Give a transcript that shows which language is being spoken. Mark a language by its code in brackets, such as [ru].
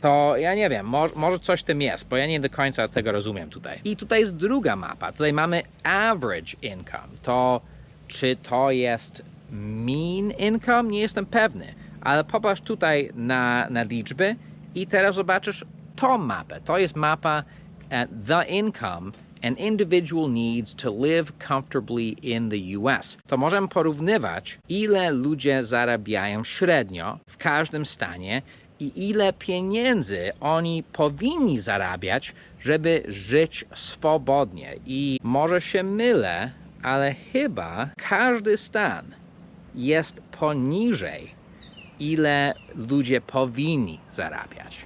[pl] To ja nie wiem, może coś w tym jest, bo ja nie do końca tego rozumiem tutaj. I tutaj jest druga mapa. Tutaj mamy average income. To czy to jest mean income? Nie jestem pewny. Ale popatrz tutaj na liczby i teraz zobaczysz tą mapę. To jest mapa [en] at the income an individual needs to live comfortably in the US. [pl] To możemy porównywać, ile ludzie zarabiają średnio w każdym stanie i ile pieniędzy oni powinni zarabiać, żeby żyć swobodnie. I może się mylę, ale chyba każdy stan jest poniżej, ile ludzie powinni zarabiać.